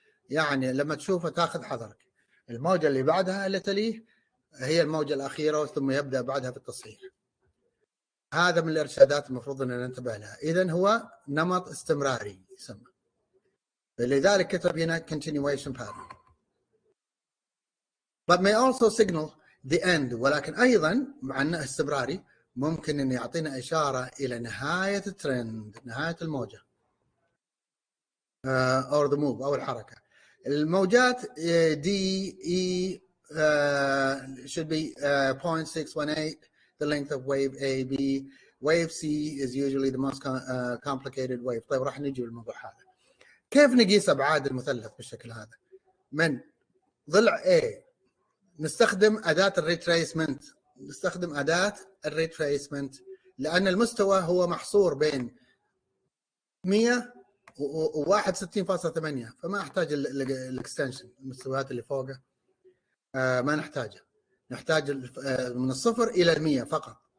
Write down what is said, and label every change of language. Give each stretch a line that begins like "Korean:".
Arabic: يعني لما تشوفه تأخذ حذرك، الموجة اللي بعدها اللي تليه هي الموجة الأخيرة، ثم يبدأ بعدها في التصحيح. هذا من الإرشادات المفروض أن ننتبه لها. إذن هو نمط استمراري يسمى، لذلك كتب هنا continuation pattern.
English: But may also signal the end.
Arabic: ولكن أيضا مع أنه استمراري ممكن أن يعطينا إشارة إلى نهاية الترند، نهاية الموجة
English: or the move
Arabic: أو الحركة.
English: الموجات D E should be 0.618 the length of wave A B. Wave C is usually the most complicated wave.
Arabic: طيب راح نجي للموضوع هذا. كيف نقيس أبعاد المثلث بالشكل هذا؟ من ضلع A نستخدم أداة الريتريسمنت، نستخدم أداة الريتريسمنت لأن المستوى هو محصور بين 100 و 61.8، فما أحتاج الإكستنشن، المستويات اللي فوقه ما نحتاجه، نحتاج من الصفر إلى 100 فقط.